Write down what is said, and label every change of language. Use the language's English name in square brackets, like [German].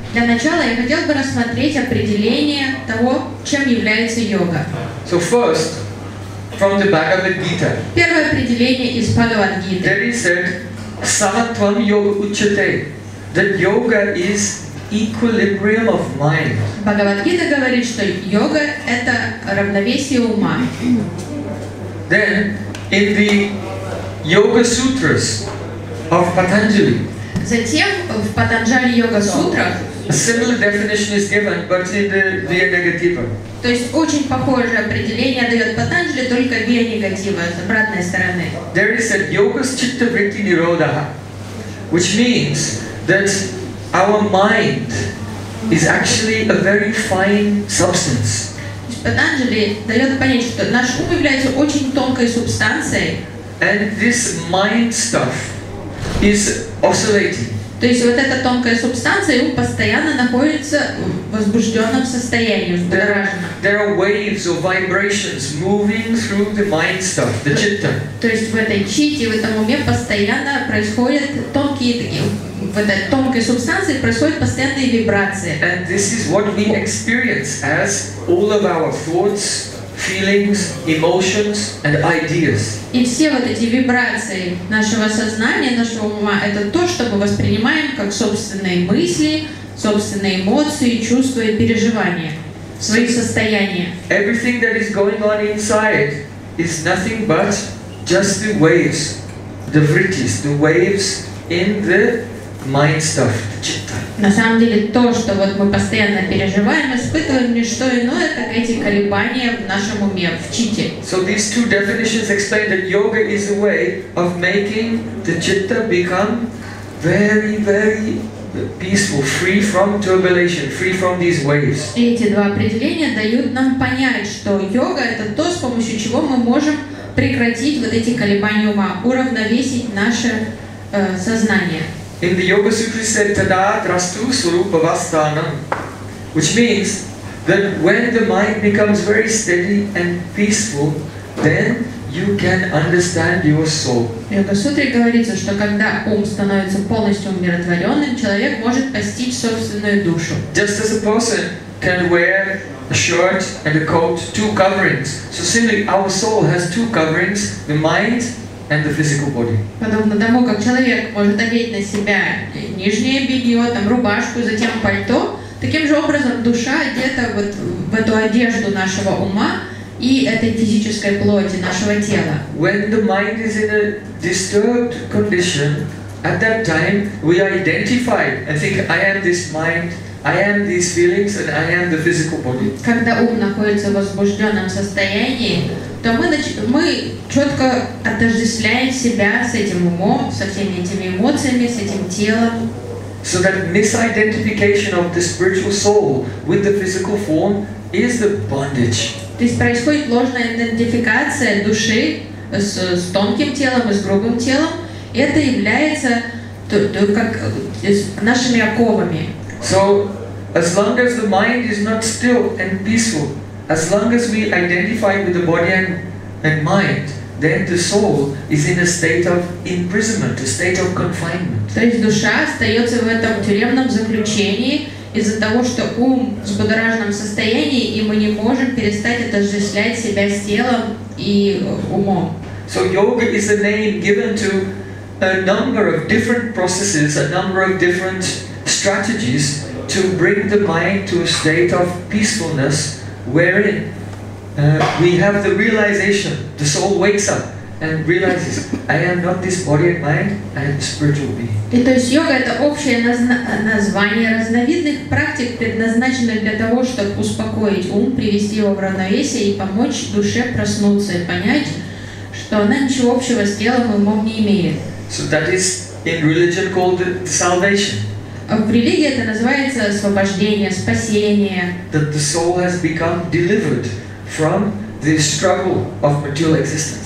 [Russian] Для начала я хотел бы рассмотреть определение того, чем является йога. [English] So first, from the Bhagavad Gita. [Russian] Первое определение из Бхагавад-гиты. [English] There is said, [Sanskrit] Sahatvam yoga uchate, [English] that yoga is equilibrium of mind. [Russian] Бхагавад-гита говорит, что йога это равновесие ума. [English] Then, in the Yoga Sutras of Patanjali. [Russian] Затем в Патанджали йога сутрах. [English] A similar definition is given, but in the via negativa. [Russian] То есть очень похожее определение дает Патанджали, только via negativa, с обратной стороны. [English] There is a [Sanskrit] yoga chitta vritti niroda, [English] which means that our mind is actually a very fine substance. [Russian] Патанджали дает понять, что наш ум является очень тонкой субстанцией. [English] And this mind stuff is oscillating. [Russian] То есть вот эта тонкая субстанция ум постоянно находится в возбужденном состоянии. [English] There are waves or vibrations moving through the mind stuff, the chitta. [Russian] То есть в этой чите, в этом уме постоянно происходят тонкие такие в этой тонкой субстанции происходят постоянные вибрации. [English] And this is what we experience as all of our thoughts, feelings, emotions, and ideas. [Russian] И все вот эти вибрации нашего сознания, нашего ума, это то, что мы воспринимаем как собственные мысли, собственные эмоции, чувства и переживания, свои состояния. [English] Everything that is going on inside is nothing but just the waves, the vrittis, the waves in the mind stuff, the chitta. [Russian] На самом деле то, что вот мы постоянно переживаем, испытываем, не что иное, как эти колебания в нашем уме, в чите. [English] So these two definitions explain that yoga is a way of making the chitta become very, very peaceful, free from turbulation, free from these waves. [Russian] Эти два определения дают нам понять, что йога это то, с помощью чего мы можем прекратить вот эти колебания ума, уравновесить наше сознание. [English] In the Yoga Sutras said, [Sanskrit] Tada Trastu Surupa Vastanam, [English] which means that when the mind becomes very steady and peaceful, then you can understand your soul. [Russian] В Йога Сутре говорится, что когда ум становится полностью умиротворенным, человек может постичь собственную душу. [English] Just as a person can wear a shirt and a coat, two coverings. So similarly, our soul has two coverings, the mind and the physical body. [Russian] Подобно тому, как человек может одеть на себя нижнее белье, там рубашку, затем пальто, таким же образом душа одета вот в эту одежду нашего ума и этой физической плоти нашего тела. [English] When the mind is in a disturbed condition, at that time we are identified and think, I am this mind, I am these feelings, and I am the physical body. [Russian] Когда ум находится в возбужденном состоянии, то мы четко отождествляем себя с этим умом, со всеми этими эмоциями, с этим телом. [English] So that misidentification of the spiritual soul with the physical form is the bondage. [Russian] То есть происходит ложная идентификация души с тонким телом и с грубым телом, и это является как нашими оковами. [English] So as long as the mind is not still and peaceful, as long as we identify with the body and mind, then the soul is in a state of imprisonment, a state of confinement. [Russian] То есть душа остается в этом тюремном заключении из-за того, что ум в будоражном состоянии, и мы не можем перестать отождествлять себя с телом и умом. [English] So yoga is a name given to a number of different processes, a number of different strategies to bring the mind to a state of peacefulness wherein we have the realization, the soul wakes up and realizes, I am not this body and mind, I am a spiritual being. [Russian] И то есть йога — это общее название разновидных практик, предназначенных для того, чтобы успокоить ум, привести его в равновесие и помочь душе проснуться и понять, что она ничего общего с телом и умом не имеет. [English] So that is in religion called salvation. [Russian] В религии это называется освобождение, спасение. [English] That the soul has become delivered from the struggle of material existence.